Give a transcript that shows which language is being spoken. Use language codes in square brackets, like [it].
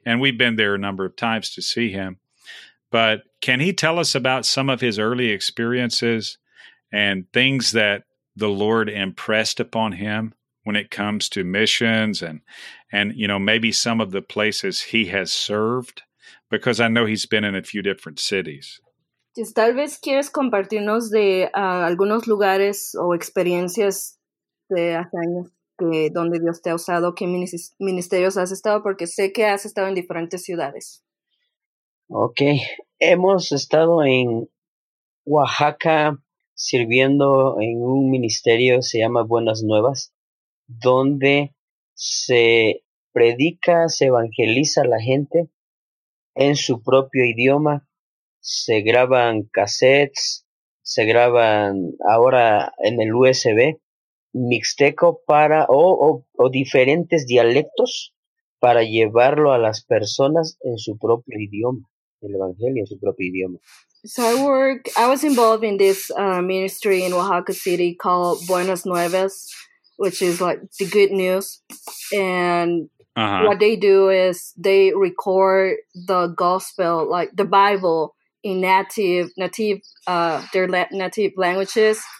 [en] And we've been there a number of times to see him. But can he tell us about some of his early experiences and things that the Lord impressed upon him when it comes to missions and you know, maybe some of the places he has served, because I know he's been in a few different cities. [es] Tal vez quieres compartirnos de algunos lugares o experiencias de hace años donde Dios te ha usado, qué ministerios has estado, porque sé que has estado en diferentes ciudades. [en] Okay. [es] Hemos estado en Oaxaca sirviendo en un ministerio, se llama Buenas Nuevas, donde se predica, se evangeliza a la gente en su propio idioma, se graban cassettes, se graban ahora en el USB, mixteco para o diferentes dialectos para llevarlo a las personas en su propio idioma, el evangelio en su propio idioma. [en] So I was involved in this ministry in Oaxaca City called Buenas Nuevas, which is like the good news. And what they do is they record the gospel, like the Bible, in native languages.